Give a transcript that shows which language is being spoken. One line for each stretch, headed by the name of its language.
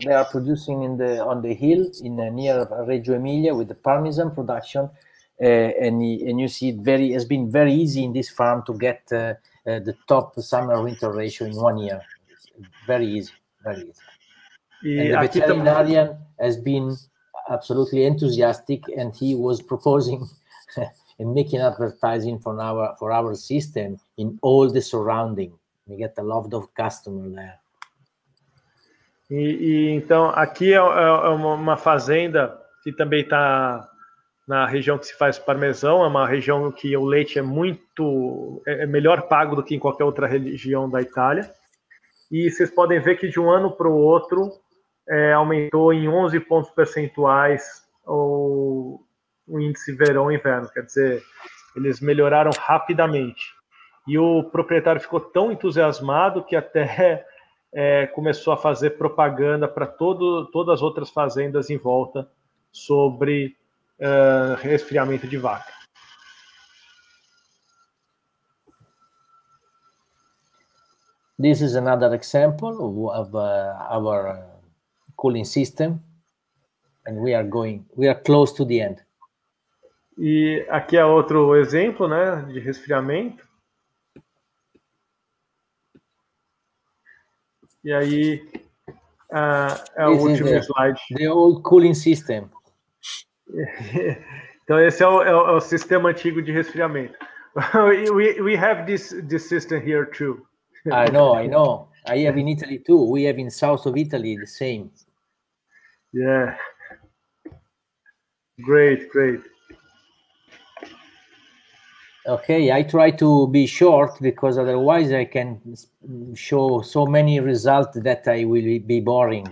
English: They are producing in the on the hill in near Reggio Emilia with the Parmesan production, and you see it very has been very easy in this farm to get the top summer winter ratio in 1 year. Very easy. And the veterinarian has been absolutely enthusiastic, and he was proposing and making advertising for our system in all the surrounding. We get a lot of customers there.
Portuguese: E então aqui é uma fazenda que também está na região que se faz parmesão. É uma região que o leite é muito é melhor pago do que em qualquer outra região da Itália. E vocês podem ver que de um ano para o outro aumentou em 11 pontos percentuais o índice verão e inverno. Quer dizer, eles melhoraram rapidamente. E o proprietário ficou tão entusiasmado que até começou a fazer propaganda para todas as outras fazendas em volta sobre resfriamento de vaca.
English: This is another example of our cooling system, and we are close to the end.
Portuguese: E aqui é outro exemplo, né, de resfriamento. E aí é o último slide.
English: The old cooling system.
Portuguese: Então esse é o sistema antigo de resfriamento.
English: We have this system here too. I know. I have in Italy too. We have in south of Italy the same. Yeah. Great. Okay, I try to be short because otherwise I can show so many results that I will be boring.